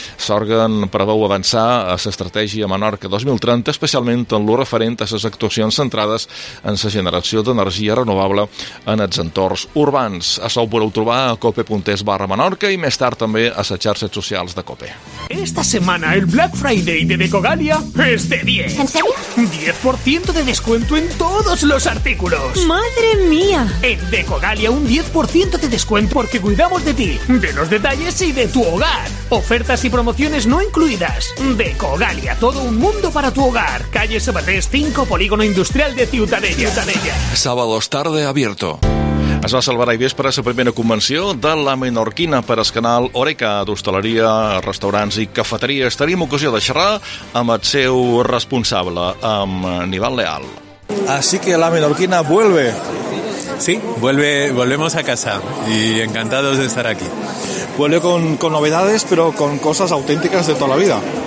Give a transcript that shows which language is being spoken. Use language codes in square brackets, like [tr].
[ca] S'òrgan preveu avançar a l'estratègia Menorca 2030, especialment en lo referent a les actuacions centrades en la generació d'energia renovable en els entorns urbans. Això ho podeu trobar a cope.es @Menorca i més tard també a les xarxes socials de COPE. [es] Esta semana el Black Friday de Decogalia es de 10. ¿En serio? 10% de descuento en todos los artículos. ¡Madre mía! En Decogalia un 10% de descuento porque cuidamos de ti, de los detalles y de tu hogar. Ofertas y promociones no incluidas. Decogalia, todo un mundo para tu hogar. Calle Sabatés 5, Polígono Industrial de Ciutadella. Sábados tarde abierto. [ca] Es va celebrar ahir vespre la primera convenció de la Menorquina per escanal Horeca d'hostaleria, restaurants i cafeteries. Tenim ocasió de xerrar amb el seu responsable, amb Aníbal Leal. [es] Así que la Menorquina vuelve. Sí, vuelve, volvemos a casa y encantados de estar aquí. Vuelve con novedades, pero con cosas auténticas de toda la vida.